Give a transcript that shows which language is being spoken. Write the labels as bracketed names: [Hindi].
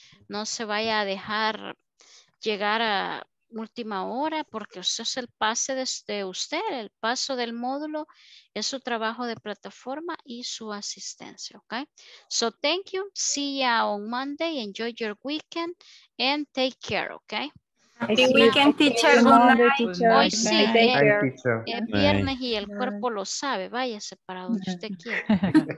[Spanish] No se vaya a dejar llegar a última hora porque eso es el pase de usted, el paso del módulo es su trabajo de plataforma y su asistencia, okay? [English] So thank you, see ya on Monday, enjoy your weekend and take care, okay? Happy weekend, teacher. Good night. [Spanish] Hoy sí, es viernes y el cuerpo lo sabe, váyase para donde usted quiera.